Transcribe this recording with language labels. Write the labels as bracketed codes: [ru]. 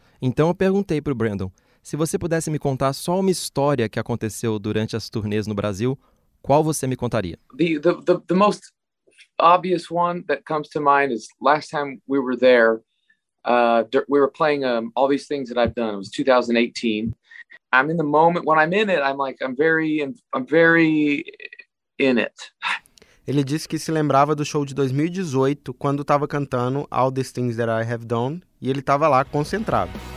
[pt] Então eu perguntei pro Brandon, se você pudesse me contar só uma história que aconteceu durante as turnês no Brasil, qual você me contaria? [en] The most obvious one that comes to mind is last time we were there, we were playing all these things that I've done. It was 2018. I'm in the moment, when I'm in it, I'm very in it. [pt] Ele disse que se lembrava do show de 2018, quando estava cantando All These Things That I Have Done, e ele estava lá concentrado.